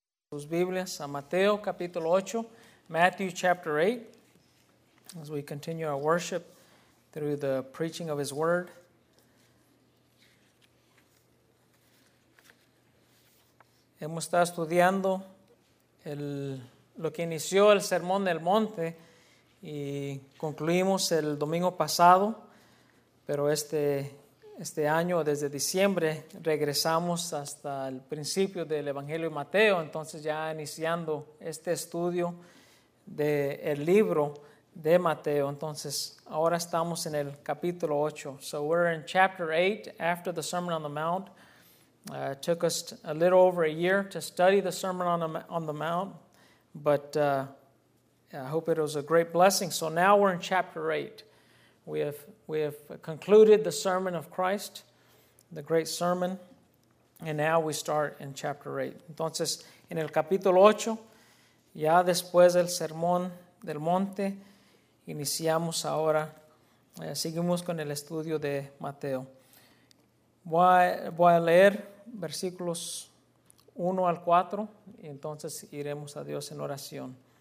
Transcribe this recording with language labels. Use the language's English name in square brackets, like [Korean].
[Spanish] Sus Biblias a Mateo capítulo 8, [English] Matthew chapter 8, as we continue our worship through the preaching of His Word. [Spanish] Hemos estado estudiando lo que inició el Sermón del Monte y concluimos el domingo pasado. Pero este año, desde diciembre, regresamos hasta el principio del Evangelio de Mateo. Entonces, ya iniciando este estudio del libro de Mateo. Entonces, ahora estamos en el capítulo 8. [English] So, we're in chapter 8 after the Sermon on the Mount. It took us a little over a year to study the Sermon on the Mount. But I hope it was a great blessing. So, now we're in chapter 8. We have concluded the sermon of Christ, the great sermon, and now we start in chapter 8. [Spanish] Entonces, en el capítulo 8, ya después del sermón del monte, iniciamos ahora, seguimos con el estudio de Mateo. Voy a leer versículos 1 al 4, y entonces iremos a Dios en oración.